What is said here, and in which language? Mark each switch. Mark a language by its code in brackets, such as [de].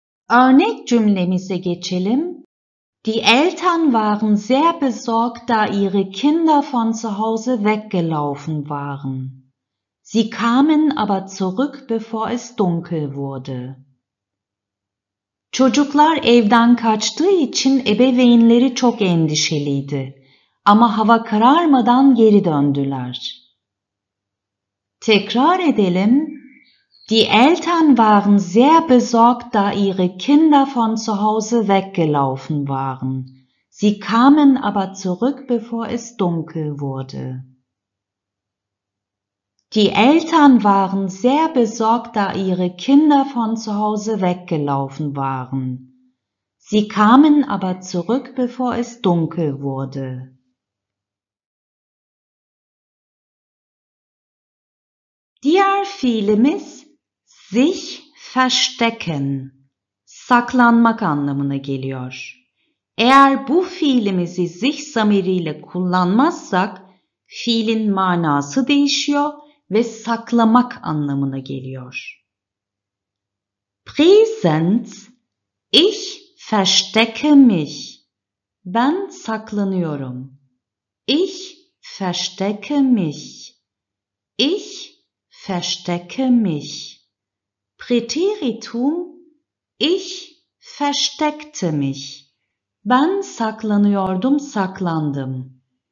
[tr] Örnek cümlemize geçelim. [de] Die Eltern waren sehr besorgt, da ihre Kinder von zu Hause weggelaufen waren. Sie kamen aber zurück, bevor es dunkel wurde. [tr] Çocuklar evden kaçtığı için ebeveynleri çok endişeliydi. Ama hava kararmadan geri döndüler. Tekrar edelim. [de] Die Eltern waren sehr besorgt, da ihre Kinder von zu Hause weggelaufen waren. Sie kamen aber zurück, bevor es dunkel wurde. Die Eltern waren sehr besorgt, da ihre Kinder von zu Hause weggelaufen waren. Sie kamen aber zurück, bevor es dunkel wurde. [tr] Diğer fiilimiz sich verstecken, saklanmak anlamına geliyor. Eğer bu fiilimizi sich zamiriyle kullanmazsak, fiilin manası değişiyor ve saklamak anlamına geliyor. [de] Präsens, ich verstecke mich. [tr] Ben saklanıyorum. [de] Ich verstecke mich. Ich verstecke mich. Präteritum, ich versteckte mich. [tr] Ben saklanıyordum, saklandım.